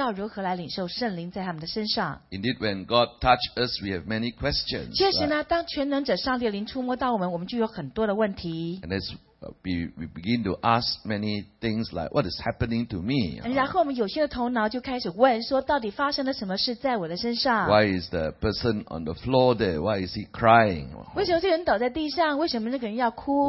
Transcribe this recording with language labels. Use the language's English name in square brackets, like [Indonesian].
[Chinese] 日本服事的时候呢，我也是这样的先教导他们，就是内地的百姓，他们是比较保守的，关乎到圣灵的运行的工作。那所以呢，在解释完之后呢，就可以比较大的帮助他们，知道如何来领受圣灵在他们的身上。Indeed, [English] when God touches us, we have many questions. [Chinese] 确实呢，当全能者上帝灵触摸到我们，我们就有很多的问题。 [English] And as we begin to ask many things like, what is happening to me? [Chinese] 然后我们有些的头脑就开始问说，到底发生了什么事在我的身上？ [English] Why is the person on the floor there? Why is he crying? [Chinese] 为什么这个人倒在地上？为什么那个人要哭？